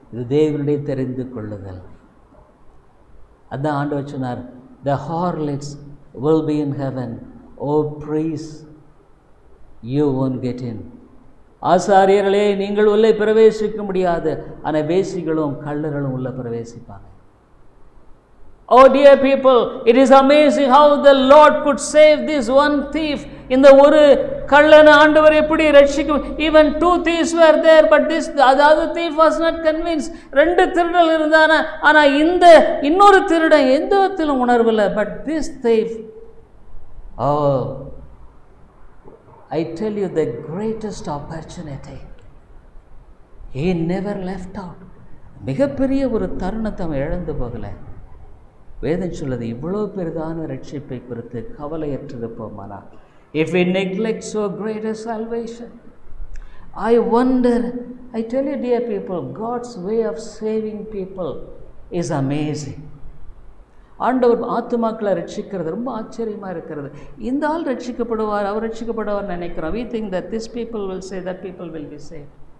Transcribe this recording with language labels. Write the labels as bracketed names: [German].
[Tamil] இது தேவனுடைய தெரிந்து கொள்ளுதல். அதான் ஆண்டவர் சொன்னார், [English] The harlots will be in heaven. Oh priest, you won't get in. [Tamil] ஆசாரியர்களே, நீங்கள் உள்ளே பிரவேசிக்க முடியாது, ஆனால் வேசிகளும் கள்ளர்களும் உள்ளே பிரவேசிப்பாங்க. [English] Oh dear people, it is amazing how the Lord could save this one thief. [Tamil] இந்த ஒரு கள்ளன ஆண்டவர் எப்படி ரட்சிக்க. [English] Even two thieves were there, but this [Tamil] அதாவது [English] thief was not convinced. [Tamil] ரெண்டு திருடர்கள் இருந்தான, ஆனால் இந்த இன்னொரு திருடன் எந்த விதத்திலும் உணர்வில்லை. [English] But this thief, I tell you the greatest opportunity, he never left out. [Tamil] மிகப்பெரிய ஒரு தருணத்தை அவன் இழந்து போகலை. வேதம் சொல்லுது இவ்வளோ பெருதான ரட்சிப்பை குறித்து கவலையற்றிருப்போமானா. [English] If we neglect so great a salvation, I wonder, I tell you dear people, God's way of saving people is amazing. [Tamil] ஆண்டவர் ஆத்துமாக்களை ரட்சிக்கிறது ரொம்ப ஆச்சரியமாக இருக்கிறது. இந்த ஆள் ரட்சிக்கப்படுவார், அவர் ரட்சிக்கப்படுவார் நினைக்கிறோம். [English] We think that this people will say, that people will be saved.